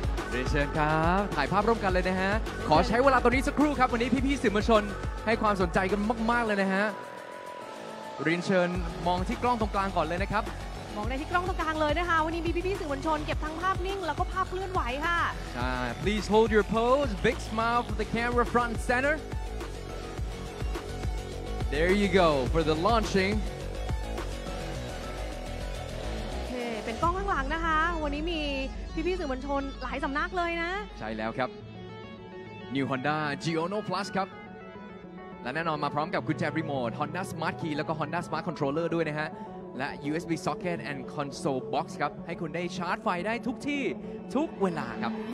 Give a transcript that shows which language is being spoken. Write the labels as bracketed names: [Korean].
[Thai] เรียนเชิญครับถ่ายภาพร่วมกันเลยนะฮะขอใช้เวลาตรงนี้สักครู่ครับวันนี้พี่ๆสื่อมวลชนให้ความสนใจกันมากๆเลยนะฮะเรียนเชิญมองที่กล้องตรงกลางก่อนเลยนะครับ มองในที่กล้องตรงกลางเลยนะคะวันนี้มีพี่ๆสื่อมวลชนเก็บทั้งภาพนิ่งแล้วก็ภาพเคลื่อนไหวค่ะ ใช่ [English] Please hold your pose big smile for the camera front and centerThere you go for the launching. [Thai] Okay, เป็นกล้องข้างหลังนะคะวันนี้มีพี่ๆสื่อมวลชนหลายสำนักเลยนะ ใช่แล้วครับ New Honda Giorno Plus ครับและแน่นอนมาพร้อมกับกุญแจรีโมท Honda Smart Key แล้วก็ Honda Smart Controller ด้วยนะฮะและ USB Socket and Console Box ครับให้คุณได้ชาร์จไฟได้ทุกที่ทุกเวลาครับ